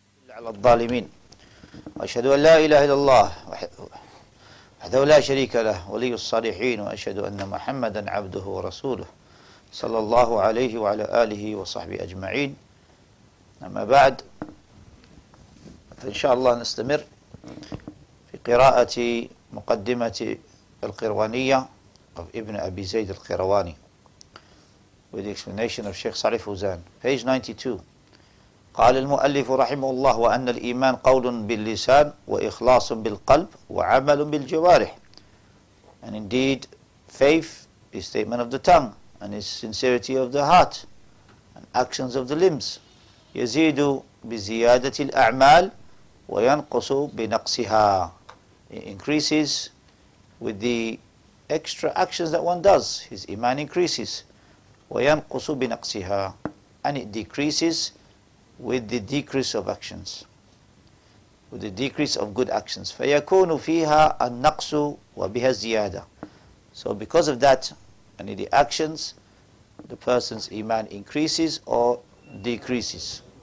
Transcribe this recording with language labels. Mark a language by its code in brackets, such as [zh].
[ar] على الظالمين أشهد أن لا إله إلا الله وحده لا شريك له ولي الصالحين وأشهد أن محمدا عبده ورسوله صلى الله عليه وعلى آله وصحبه أجمعين أما بعد فإن شاء الله نستمر في قراءة مقدمة القيروانية [en] of Ibn Abi Zayd al-Qayrawani with the explanation of Sheikh Salih Fuzan. Page 92. [ar] قال المؤلف رحمه الله وأن الإيمان قول باللسان وإخلاص بالقلب وعمل بالجوارح. [en] And indeed, faith is statement of the tongue and is sincerity of the heart and actions of the limbs. [ar] يزيد بزيادة الأعمال وينقص بنقصها. [en] It increases with the extra actions that one does, his iman increases. [ar] وَيَنْقُصُ بِنَقْصِهَا [en] And it decreases with the decrease of actions, with the decrease of good actions. [ar] فَيَكُونُ فِيهَا النَّقْصُ وَبِهَا الزِّيَادَةُ [en] So because of that, and in the actions, the person's iman increases or decreases.